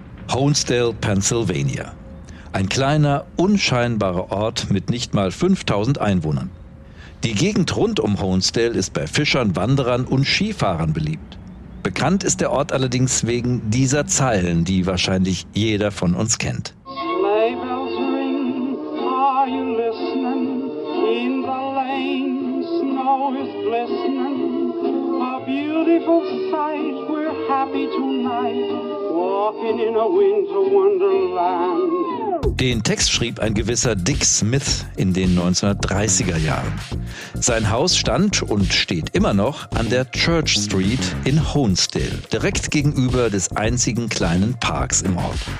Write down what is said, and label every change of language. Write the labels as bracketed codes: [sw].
[de] Honesdale, Pennsylvania. Ein kleiner, unscheinbarer Ort mit nicht mal 5000 Einwohnern. Die Gegend rund um Honesdale ist bei Fischern, Wanderern und Skifahrern beliebt. Bekannt ist der Ort allerdings wegen dieser Zeilen, die wahrscheinlich jeder von uns kennt. [en] Sleigh bells ring, are you listening? In the lane, snow is glistening. A beautiful sight, we're happy tonight. Walking in a winter wonderland. [de] Den Text schrieb ein gewisser Dick Smith in den 1930er Jahren. Sein Haus stand und steht immer noch an der Church Street in Honesdale, direkt gegenüber des einzigen kleinen Parks im Ort.